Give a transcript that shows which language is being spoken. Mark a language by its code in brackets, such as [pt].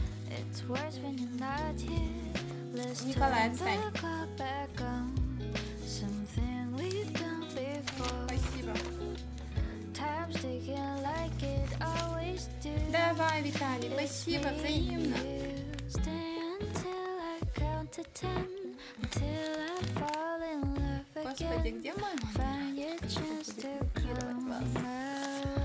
[en] It's worse when you're not here. Let's turn the clock back on. Something we've done before. Time's ticking like it always do. [ru] Давай, Виталий, спасибо, взаимно. [en] Stay until I count to ten. Until I fall in love again. Find your chance to come my way.